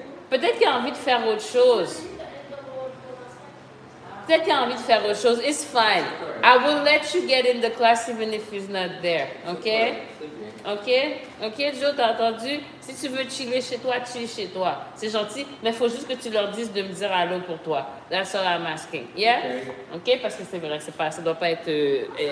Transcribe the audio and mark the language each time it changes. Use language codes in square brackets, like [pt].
[fr] Peut-être qu'il a envie de faire autre chose. [en] It's fine. I will let you get in the class even if he's not there. [fr] Ok, Joe, t'as entendu? Si tu veux chiller chez toi, chill chez toi. C'est gentil, mais il faut juste que tu leur dises de me dire allô pour toi. [en] That's all I'm asking. Yeah? [fr] Ok, parce que c'est vrai, c'est pas, ça doit pas être...